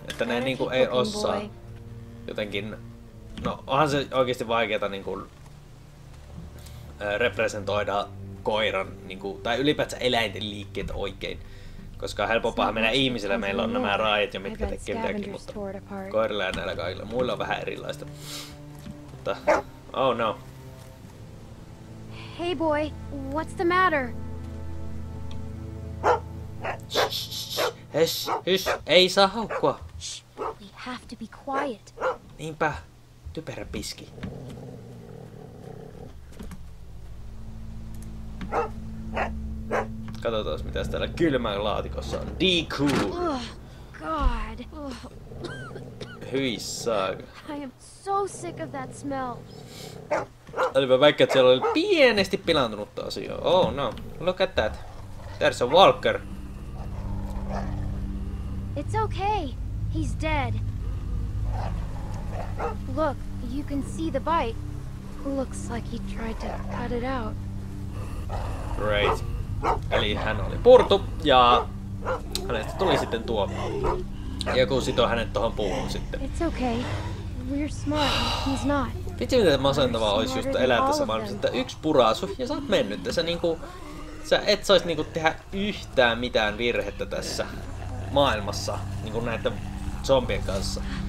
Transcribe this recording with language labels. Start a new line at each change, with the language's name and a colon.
Finnish: Että ne niin kun ei osaa jotenkin... No, onhan se oikeasti vaikeeta niin kun representoida koiran, niin kun, tai ylipäätään eläinten liikkeet oikein. Koska helpompaa mennä ihmisillä, meillä on nämä raajat jo, mitkä tekee mitäkin, mutta koirilla ja näillä kaikilla. Muilla on vähän erilaista. Mutta,
English: oh no. Hey boy, what's the matter?
Finnish: Hysh, hysh, ei saa haukkua.
English: We have to be quiet.
Finnish: Niinpä, typerä piski. Katsotaan, mitä täällä kylmän laatikossa on. D-cool!
English: Oh, God!
Finnish: Hyi saaka.
English: I am so sick of that smell.
Finnish: Olipa vaikka, että siellä oli pienesti pilantunutta asiaa.
English: Oh no, look at that. There's a walker. It's okay. He's dead. Look, you can see the bite. Looks like he tried to cut it out. Great.
Finnish: Eli hän oli purtu ja hänestä tuli sitten tuo. Joku sitoi hänet tohon puuhun sitten.
English: It's okay. We're smart. He's not.
Finnish: Vitsi mitä masentavaa olisi just elää tässä maailmassa, että yksi purasu ja sä oot mennyt. Sä, niinku, sä et sais niinku tehdä yhtään mitään virhettä tässä maailmassa niinku näiden zombien kanssa.